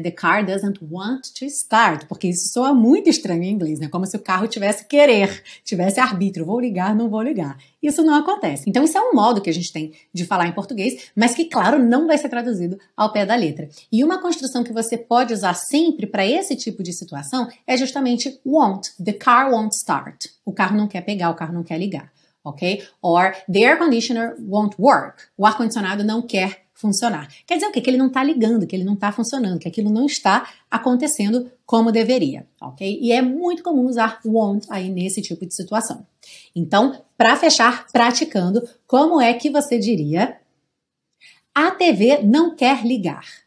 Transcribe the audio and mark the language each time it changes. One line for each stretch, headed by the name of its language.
English: The car doesn't want to start,
Portuguese: porque isso soa muito estranho em inglês, né? Como se o carro tivesse querer, tivesse arbítrio, vou ligar, não vou ligar. Isso não acontece. Então, isso é um modo que a gente tem de falar em português, mas que, claro, não vai ser traduzido ao pé da letra. E uma construção que você pode usar sempre para esse tipo de situação é justamente won't.
English: The car won't start.
Portuguese: O carro não quer pegar, o carro não quer ligar, ok?
English: Or the air conditioner won't work.
Portuguese: O ar-condicionado não quer funcionar. Quer dizer o quê? Que ele não está ligando, que ele não está funcionando, que aquilo não está acontecendo como deveria, ok? E é muito comum usar won't aí nesse tipo de situação. Então, para fechar, praticando, como é que você diria: a TV não quer ligar.